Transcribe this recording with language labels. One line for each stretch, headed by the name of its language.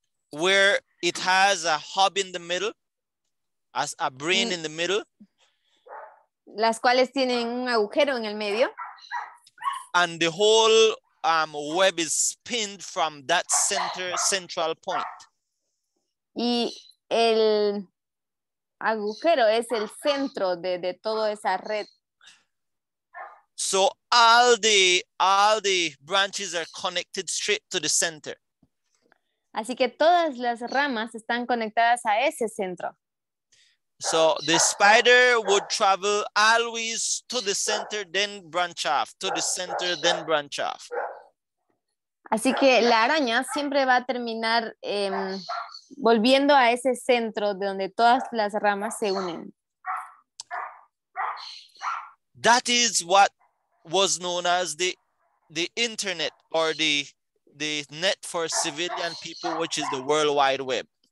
English: Where it has a hub in the middle, as a brain in the middle.
Spanish: Las cuales tienen un agujero en el medio.
English: And the whole web is spinned from that central point.
Spanish: Y el agujero es el centro de toda esa red.
English: So all the branches are connected straight to the center.
Spanish: Así que todas las ramas están conectadas a ese centro.
English: So the spider would travel always to the center, then branch off, to the center, then branch off.
Spanish: Así que la araña siempre va a terminar volviendo a ese centro de donde todas las ramas se unen.
English: That is what was known as the internet or the net for civilian people, which is the World Wide Web.